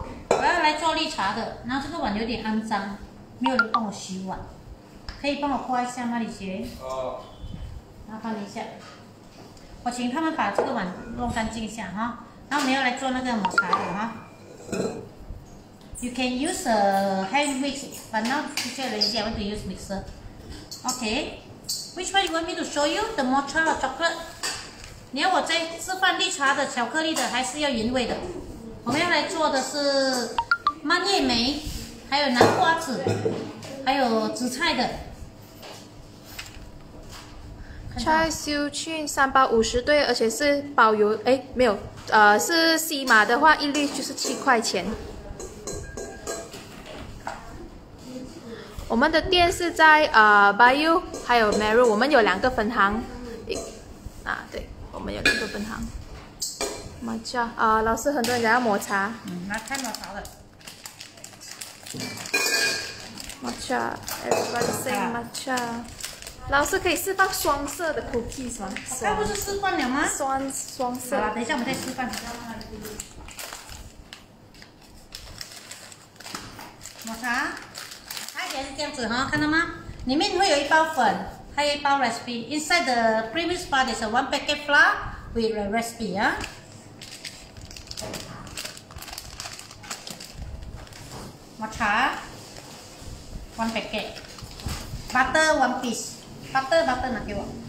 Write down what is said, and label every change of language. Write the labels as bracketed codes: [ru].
[zh] 我要来做绿茶的，然后这个碗有点肮脏，没有人帮我洗碗，可以帮我刮一下吗，李姐？哦。麻烦你一下，我请他们把这个碗弄干净一下哈。然后我们要来做那个抹茶的哈。 [en] You can use a hand mix, but now teacher lazy. I want to use mixer. Okay, which one you want me to show you? The mocha or chocolate? [zh] 你要我在示范绿茶的巧克力的，还是要原味的？我们要来做的是蔓越莓，还有南瓜子，还有紫菜的。 Chai Siu Chin 350对，而且是包邮，哎，没有，是西马的话，一粒就是7块钱。我们的店是在Bayou 还有 Meru， 我们有两个分行，啊，对，我们有两个分行。抹茶，老师，很多人想要抹茶。嗯，那太抹茶了。 Matcha， [en] everybody say matcha。 [zh] 老师可以示范双色的 cookies 吗？刚不是示范了吗？双色。好了，等一下我们再示范。抹茶，它也是这样子哈，看到吗？里面会有一包粉，还有一包 recipe。 [en] Inside the previous part is a one packet flour with a recipe 啊。抹茶 ，one packet， butter one piece。Butter [zh] 拿给我。